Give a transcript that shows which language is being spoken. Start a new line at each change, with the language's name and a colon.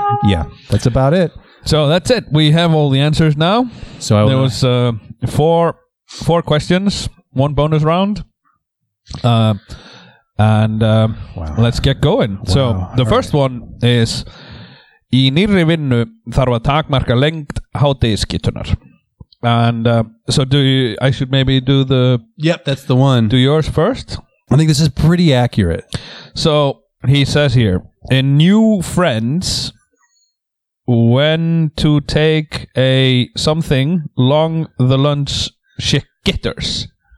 English: Yeah, that's about it. So that's it. We have all the answers now. So I there was four questions, one bonus round, and let's get going. Wow. So the all first right. one is
Icelandic: í nýrri vinnu þarf að takmarka lengd hádegisskýtunar.
English: And so I should maybe do the yep, that's the one. Do yours first. I think this is pretty accurate. So he says here in new friends. when to take a something long the lunch skitters.